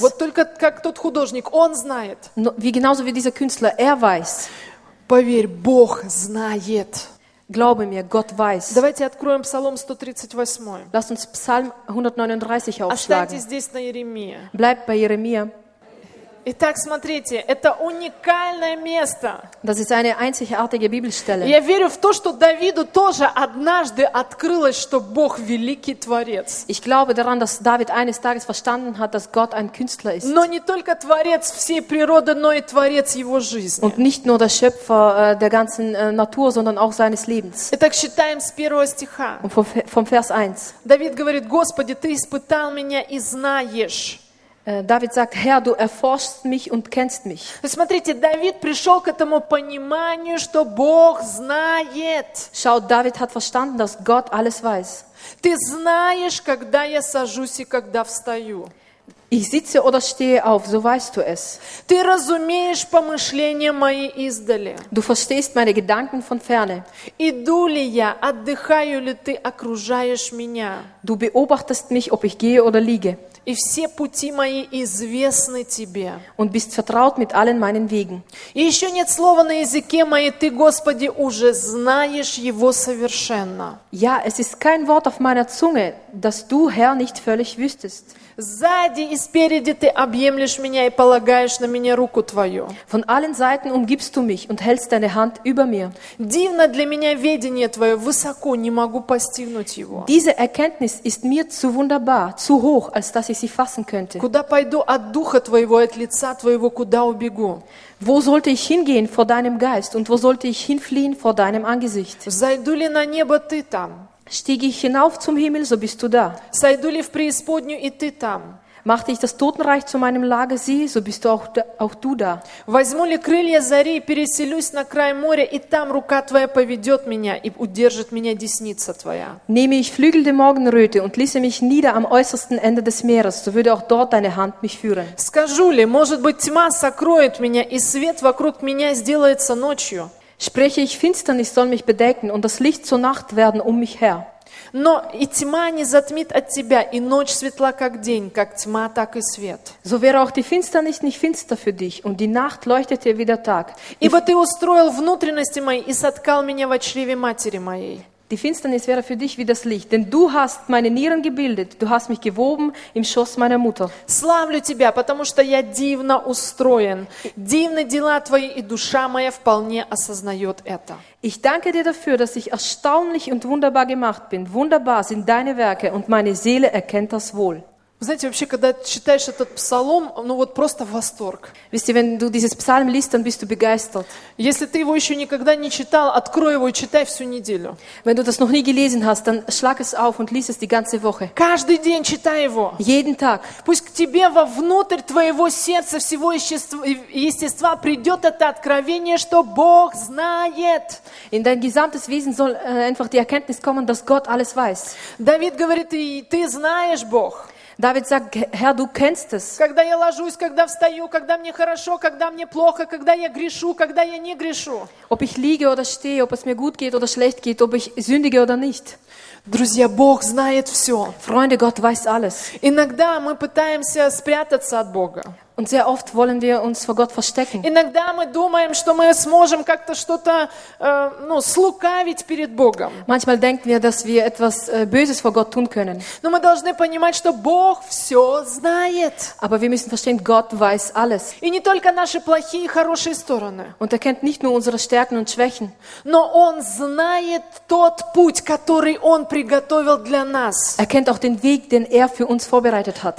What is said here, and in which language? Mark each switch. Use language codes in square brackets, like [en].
[ru] Вот только как тот художник, он знает. Но, [de] wie genauso wie dieser Künstler, er weiß. [ru] Поверь, Бог знает. [de] Glaube mir, Gott weiß. [ru] Давайте откроем Псалом 138. [de] Lass uns Psalm 139 aufschlagen. [ru] Оставьте здесь на Иеремия. [de] Bleib bei Jeremia. [ru] Итак, смотрите, это уникальное место. [de] Das ist eine einzigartige Bibelstelle. [ru] Я верю в то, что Давиду тоже однажды открылось, что Бог великий творец. [de] Ich glaube daran, dass David eines Tages verstanden hat, dass Gott ein Künstler ist. [ru] Но не только творец всей природы, но и творец его жизни. [de] Und nicht nur der Schöpfer der ganzen Natur, sondern auch seines Lebens. [ru] Итак, считаем с первого стиха. [de] Und vom Vers 1. [ru] Давид говорит: Господи, ты испытал меня и знаешь. [de] David sagt, Herr, du erforschst mich und kennst mich. [ru] Смотрите, Давид пришел к этому пониманию, что Бог знает. [de] Schaut, David hat verstanden, dass Gott alles weiß. [ru] Ты знаешь, когда я сажусь и когда встаю. [de] Ich sitze oder stehe auf, so weißt du es. [ru] Ты разумеешь помышления мои издали. [de] Du verstehst meine Gedanken von ferne. [ru] Иду ли я, отдыхаю ли ты, окружаешь меня. [de] Du beobachtest mich, ob ich gehe oder liege. [ru] И все пути мои известны тебе. [de] Und bist vertraut mit allen meinen Wegen. [ru] И еще нет слова на языке моей, ты, Господи, уже знаешь его совершенно. [de] Ja, es ist kein Wort auf meiner Zunge, das du, Herr, nicht völlig wüsstest. [ru] Сзади и спереди ты объемлешь меня и полагаешь на меня руку твою. [de] Von allen Seiten umgibst du mich und hältst deine Hand über mir. [ru] Дивно для меня ведение твое, высоко, не могу постигнуть его. [de] Diese Erkenntnis ist mir zu wunderbar, zu hoch, als dass ich sie fassen könnte. [ru] Куда пойду от духа твоего, от лица твоего, куда убегу? [de] Wo sollte ich hingehen vor deinem Geist und wo sollte ich hinfliehen vor deinem Angesicht? [ru] Взойду ли на небо, ты там? [de] Stieg ich hinauf zum Himmel, so bist du da. [ru] Сойду ли в преисподнюю, и ты там. [de] Machte ich das Totenreich zu meinem Lager, sieh, so bist du auch du da. [ru] Возьму ли крылья зари и переселюсь на край моря, и там рука твоя поведет меня и удержит меня десница твоя. [de] Nehme ich Flügel der Morgenröte und ließe mich nieder am äußersten Ende des Meeres, so würde auch dort deine Hand mich führen. [ru] Скажу ли, может быть, тьма сокроет меня, и свет вокруг меня сделается ночью. [de] Spreche ich Finsternis soll mich bedecken und das Licht zur Nacht werden um mich her. [ru] Но и тьма не затмит от тебя, и ночь светла как день, как тьма, так и свет. [de] So wäre auch die Finsternis nicht finster für dich, und die Nacht leuchtet dir wie der Tag. [ru] Ибо ты устроил внутренности мои и соткал меня в чреве матери моей. [de] Die Finsternis wäre für dich wie das Licht, denn du hast meine Nieren gebildet, du hast mich gewoben im Schoß meiner Mutter. [ru] Славлю тебя, потому что я дивно устроен. Дивны дела твои, и душа моя вполне осознает это. [de] Ich danke dir dafür, dass ich erstaunlich und wunderbar gemacht bin. Wunderbar sind deine Werke, und meine Seele erkennt das wohl. [ru] Знаете, вообще, когда читаешь этот псалом, ну вот просто восторг. [de] Wisst ihr, wenn du dieses Psalm liest, dann bist du begeistert. [ru] Если ты его еще никогда не читал, открой его и читай всю неделю. [de] Wenn du das noch nie gelesen hast, dann schlag es auf und lies es die ganze Woche. [ru] Каждый день читай его. [de] Jeden Tag. [ru] Пусть к тебе во внутрь твоего сердца всего естества придет это откровение, что Бог знает. [de] In dein gesamtes Wesen soll einfach die Erkenntnis kommen, dass Gott alles weiß. [ru] Давид говорит, и ты знаешь Бог. [de] David sagt, Herr, du kennst es. [ru] Когда я ложусь, когда встаю, когда мне хорошо, когда мне плохо, когда я грешу, когда я не грешу. [de] Ob ich liege oder stehe, ob es mir gut geht oder schlecht geht, ob ich sündige oder nicht. [ru] Друзья, Бог знает все. [de] Freunde, Gott weiß alles. [ru] Иногда мы пытаемся спрятаться от Бога. [de] Und sehr oft wollen wir uns vor Gott verstecken. [ru] Иногда мы думаем, что мы сможем как-то что-то, ну, слукавить перед Богом. [de] Manchmal denken wir, dass wir etwas Böses vor Gott tun können. [ru] Но мы должны понимать, что Бог все знает. [de] Aber wir müssen verstehen, Gott weiß alles. [ru] И не только наши плохие и хорошие стороны. [de] Und kennt nicht nur unsere Stärken und Schwächen. [ru] Но Он знает тот путь, который Он приготовил для нас. [de] Kennt auch den Weg, den für uns vorbereitet hat.